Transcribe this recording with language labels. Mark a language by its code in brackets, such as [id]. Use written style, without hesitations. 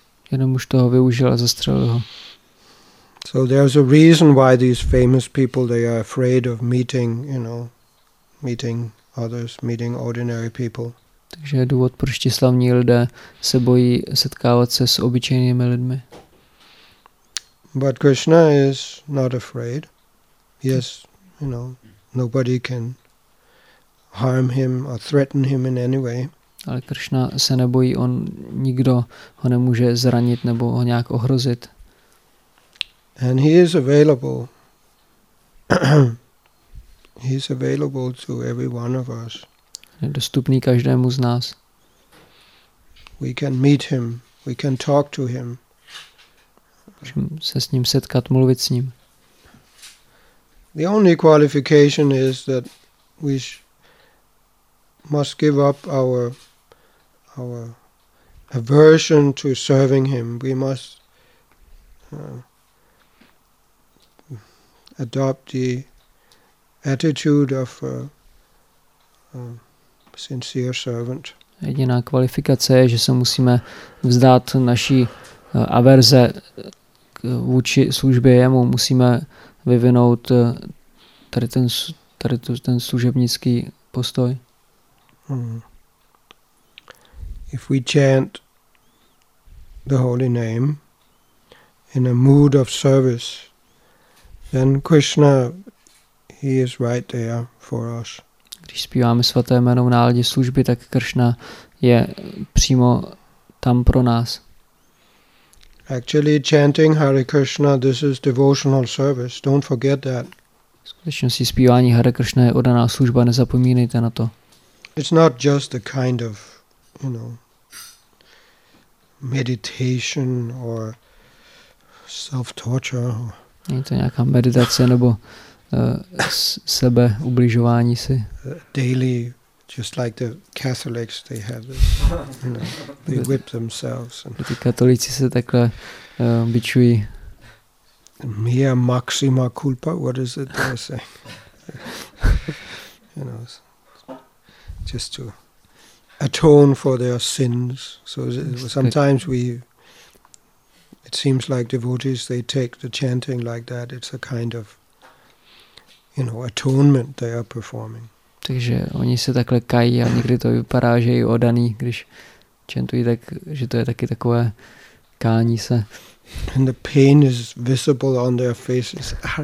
[cs] Jeden muž toho využil a zastřelil ho. [en] So there's a reason why these famous people, they are afraid of meeting, you know, meeting others, meeting ordinary people. [cs] Takže je důvod, proč ti slavní lidé se bojí setkávat se s obyčejnými lidmi. [en] But Krishna is not afraid. Yes, you know, nobody can harm him or threaten him in any way. [cs] Ale Krishna se nebojí, on nikdo ho nemůže zranit nebo ho nějak ohrozit. [en] And he is available. He's available to every one of us. [cs] Je dostupný každému z nás. [en] We can meet him, we can talk to him. [cs] Můžeme se s ním setkat, mluvit s ním. [en] The only qualification is that we must give up our aversion to serving him. We must adopt the attitude of a sincere servant. [cs] Jediná kvalifikace je, že se musíme vzdát naší averze k vůči službě jemu. Musíme vyvinout tady ten služebnický postoj. [en] If we chant the holy name in a mood of service, then Krishna, he is right there for us. [cs] Když zpíváme svaté jméno v náladě služby, tak Krishna je přímo tam pro nás. [en] Actually, chanting Hare Krishna, this is devotional service. Don't forget that. [cs] Skutečně si zpívání Hare Krishna je oddaná služba, nezapomínejte na to. [en] It's not just a kind of, you know, meditation or self-torture. [cs] Není to nějaká meditace nebo sebe ubližování si. [en] Daily, just like the Catholics, they have this, you know, they whip themselves. [cs] Ty katolíci se takhle bičují. [la] Mea maxima culpa, [en] what is it they're saying? You know, just to atone for their sins. So sometimes it seems like devotees, they take the chanting like that. It's a kind of, you know, atonement they are performing. [cs] Takže oni se takhle kají a někdy to vypadá, že je odaný, když čentují, tak, že to je taky takové kání se. [en] And the pain is visible on their faces.